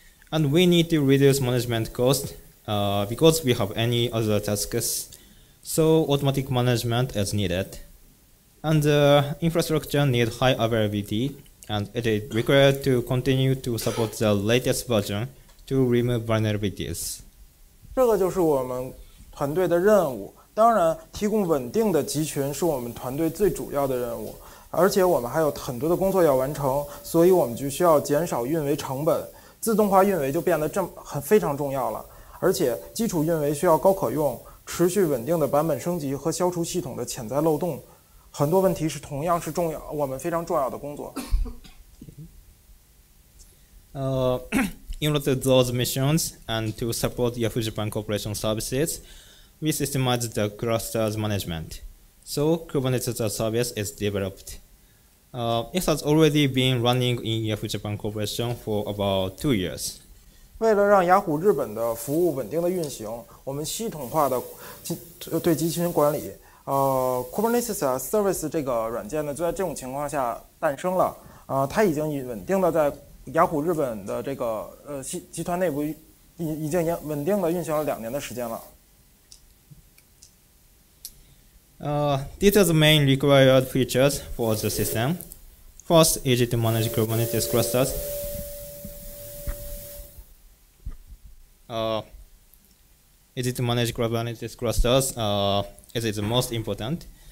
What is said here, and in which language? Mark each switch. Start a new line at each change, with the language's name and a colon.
English: And we need to reduce management cost because we have any other tasks. So automatic management is needed. And the infrastructure needs high availability, and it is required to continue to support the latest version to remove vulnerabilities.
Chinese: 这个就是我们团队的任务。当然，提供稳定的集群是我们团队最主要的任务，而且我们还有很多的工作要完成，所以我们就需要减少运维成本。自动化运维就变得非常重要了，而且基础运维需要高可用、持续稳定的版本升级和消除系统的潜在漏洞，很多问题是同样是重要，我们非常重要的工作。
English: In order to those missions and to support Yahoo Japan Corporation services, we systemize the clusters management. So Kubernetes-as-a-Service is developed. It has already been running in Yahoo Japan Corporation for about 2 years.
Chinese: 为了让雅虎日本的服务稳定的运行，我们系统化的对集群管理，Kubernetes-as-a-Service 这个软件呢，就在这种情况下诞生了。它已经稳定的在雅虎日本的这个集团内部已经稳定的运行了2年的时间了。
English: These are the main required features for the system. First, easy to manage Kubernetes clusters. Easy to manage Kubernetes clusters is the most important.